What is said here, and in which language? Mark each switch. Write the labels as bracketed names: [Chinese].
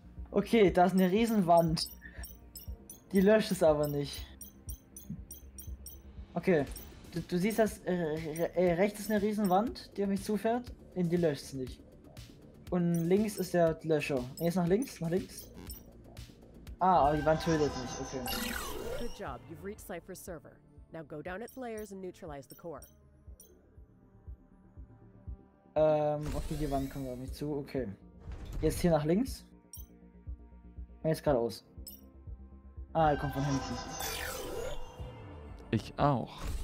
[German] Okay, da ist eine Riesenwand. Die löscht es aber nicht. Okay. Du siehst, dass rechts ist eine Riesenwand, die auf mich zufährt. In die löscht es nicht. Und links ist der Löscher. Jetzt nach links. Ah, aber die Wand tötet mich. Okay. [English] Good job, you've reached Cypher's server. Now go down its layers and neutralize the core. [German] Okay, die Wand kommt auf mich zu. Okay. Jetzt hier nach links. Und jetzt geradeaus. Ah, er kommt von hinten. Ich auch.